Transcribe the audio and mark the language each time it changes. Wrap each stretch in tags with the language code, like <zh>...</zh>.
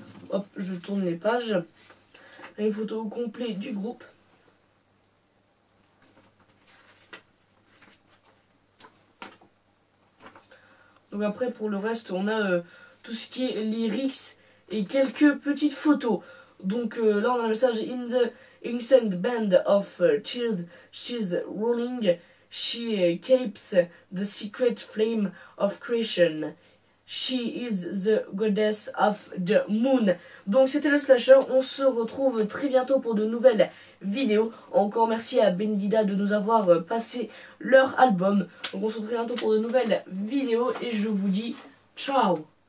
<fr>Hop, je tourne les pages. Une photo au complet du groupe. Donc après, pour le reste, on a tout ce qui est lyrics et quelques petites photos. Donc là, on a un message.</fr> <en>In the incense band of tears, she's rolling. She keeps the secret flame of creation. She is the goddess of the moon.</en> <fr>Donc c'était le Slasher. On se retrouve très bientôt pour de nouvelles vidéos. Encore merci à Bendida de nous avoir passé leur album. Donc on se retrouve très bientôt pour de nouvelles vidéos. Et je vous dis ciao.</fr>